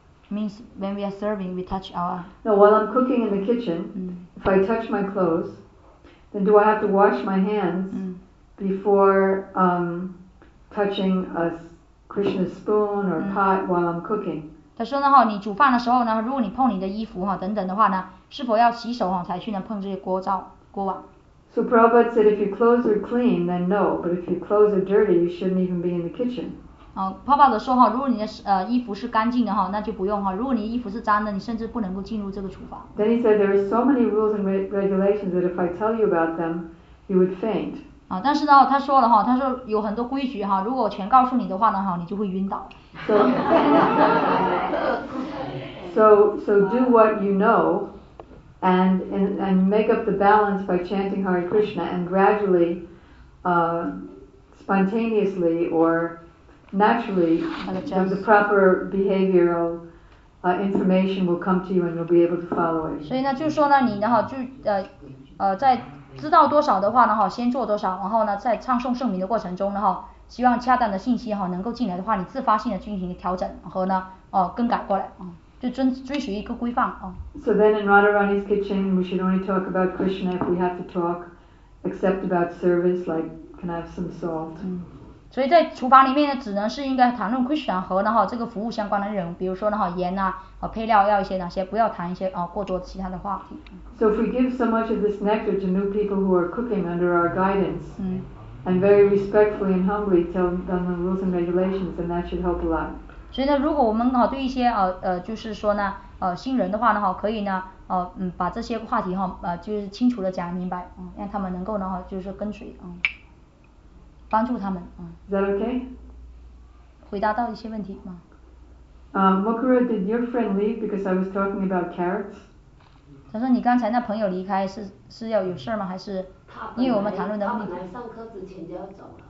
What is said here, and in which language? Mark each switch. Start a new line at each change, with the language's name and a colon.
English: Means when we are serving, we touch our. No, while I'm cooking in the kitchen, if I touch my clothes, then do I have to wash my hands before touching a Krishna's spoon or pot while I'm cooking?
Chinese: 他说呢哈，你煮饭的时候呢，如果你碰你的衣服哈等等的话呢，是否要洗手哈才去呢碰这些锅灶锅碗？
English: So Prabhupada said, if your clothes are clean, then no. But if your clothes are dirty, you shouldn't even be in the kitchen.
Chinese: 爸爸的说哈，如果你的衣服是干净的哈，那就不用哈。如果你衣服是脏的，你甚至不能够进入这个厨房。
English: Then he said there are so many rules and regulations that if I tell you about them, you would faint.
Chinese: 但是呢，他说了哈，他说有很多规矩哈，如果我全告诉你的话呢哈，你就会晕倒。
English: So do what you know, and make up the balance by chanting Hare Krishna and gradually. spontaneously or naturally, the proper behavioral information will come to you and you'll be able to follow it.
Chinese: 所以呢，就是说呢，你然后就在知道多少的话呢，哈，先做多少，然后呢，在唱诵圣名的过程中呢，哈，希望恰当的信息哈能够进来的话，你自发性的进行调整和呢更改过来，就遵循一个规范
English: So then in Radharani's kitchen, we should only talk about Krishna if we have to talk, except about service, like can I have some salt?
Chinese: 所以在厨房里面呢，只能是应该谈论 Krishna 和呢哈这个服务相关的内容，比如说呢哈盐啊和配料要一些哪些，不要谈一些过多其他的话题。
English: So if we give so much of this nectar to new people who are cooking under our guidance, and very respectfully and humbly tell them the rules and regulations, then that should help a lot.
Chinese: 所以呢，如果我们对一些就是说呢新人的话呢哈，可以呢把这些话题哈就是清楚的讲明白，让他们能够呢哈就是跟随帮助他们。
English: Is that okay?
Chinese: 回答到一些问题吗？
English: Mukura, did your friend leave because I was talking about carrots?
Chinese: 他说你刚才那朋友离开是要有事吗？还是因为我们谈论的问题？他本来上课之前就要走了。